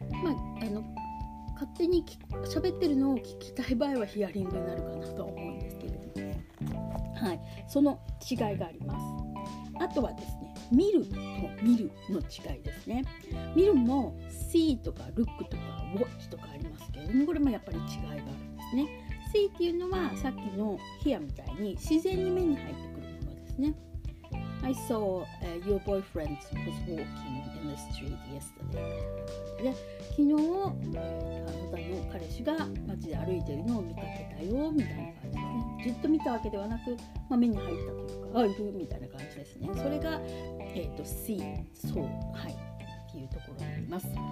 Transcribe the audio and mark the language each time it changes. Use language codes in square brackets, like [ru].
[ja] まあ勝手に喋ってるのを聞きたい場合はヒアリングになるかなと思うんですけれども、はい、その違いがあります。あとはですね、見ると見るの違いですね。見るも see とか look とか watch とかありますけれども、これもやっぱり違いがあるんですね。 see っていうのはさっきのヒアみたいに自然に目に入ってくるものですね。 [en] I saw your boyfriend was walking in the street yesterday。 [ja] で、昨日あなたの彼氏が街で歩いているのを見かけたよみたいな感じですね。じっと見たわけではなく、まあ、目に入ったというか、あ、いるみたいな感じですね。それが、see、 そう、はい、っていうところになります。